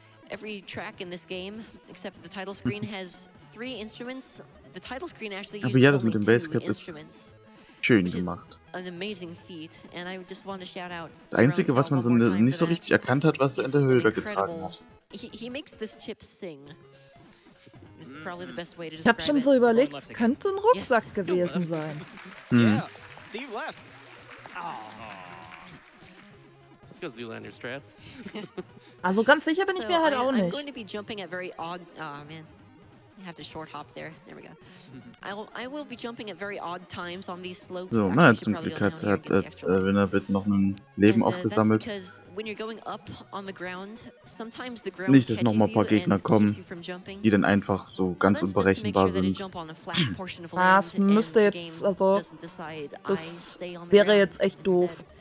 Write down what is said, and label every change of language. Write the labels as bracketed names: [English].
[English] Every track in this game, except for the title screen, has three instruments. The title screen actually uses only two instruments. [German] Schön gemacht. [English] An amazing feat, and I just want to shout out. [German] Das Einzige, was man so nicht so richtig erkannt hat, was er in der Höhle getragen hat. [English] He makes this chip sing. This is probably the best way to describe it. [German] Ich hab schon so überlegt, könnte ein Rucksack gewesen sein. [English] Steve left. Zoolander strats. [German] Also ganz sicher bin ich mir halt auch nicht. [English] I'm going to be jumping at very odd. Oh man, you have to short hop there. There we go. I will be jumping at very odd times on these slopes. [German] So, na, zum Glück hat Winner wird noch ein Leben aufgesammelt. Nicht, dass noch mal ein paar Gegner kommen, die dann einfach so ganz unberechenbar sind. Das müsste jetzt, also das wäre jetzt echt doof.